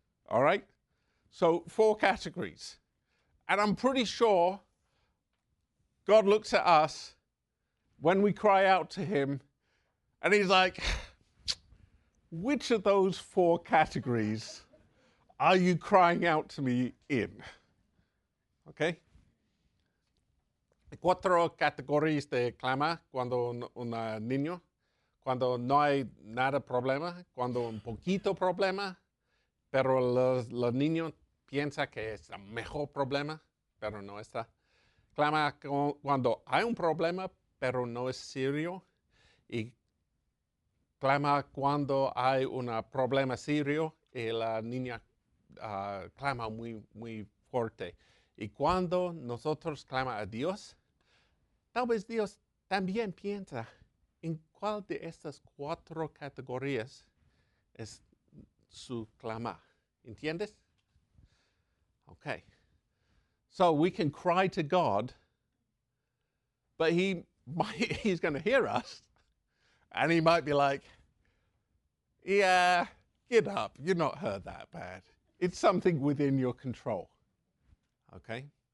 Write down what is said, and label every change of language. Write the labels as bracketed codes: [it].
[en] All right, so four categories. And I'm pretty sure God looks at us when we cry out to him and he's like, which of those four categories are you crying out to me in? Okay? [es] Cuatro categorías de clama cuando un niño, cuando no hay nada problema, cuando un poquito problema, pero los niños piensan que es el mejor problema, pero no está. Clama cuando hay un problema, pero no es serio. Y clama cuando hay un problema serio y la niña clama muy, muy fuerte. Y cuando nosotros clamamos a Dios, tal vez Dios también piensa en cuál de estas cuatro categorías es su clama. ¿Entiendes? Okay. [en] So we can cry to God, but he's going to hear us, and he might be like, yeah, get up. You're not hurt that bad. It's something within your control. Okay?